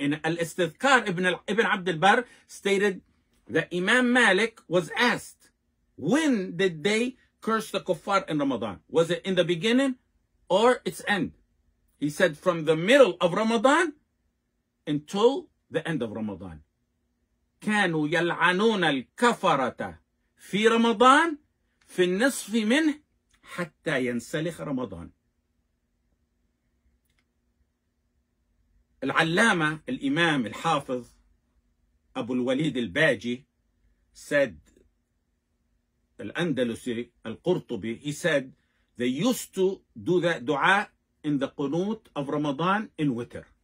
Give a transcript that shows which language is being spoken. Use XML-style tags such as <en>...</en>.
<en>In Al-Istidhkar, Ibn Abd al-Barr stated that Imam Malik was asked, when did they curse the kuffar in Ramadan? Was it in the beginning or its end? He said, from the middle of Ramadan until the end of Ramadan.</en> <ar>كانوا يلعنون الكفرة في رمضان في النصف منه حتى ينسلخ رمضان.</ar> <en>العلامة الإمام الحافظ أبو الوليد الباجي said, الأندلسي القرطبي, he said they used to do that دعاء in the قنوت of Ramadan in Witr.</en>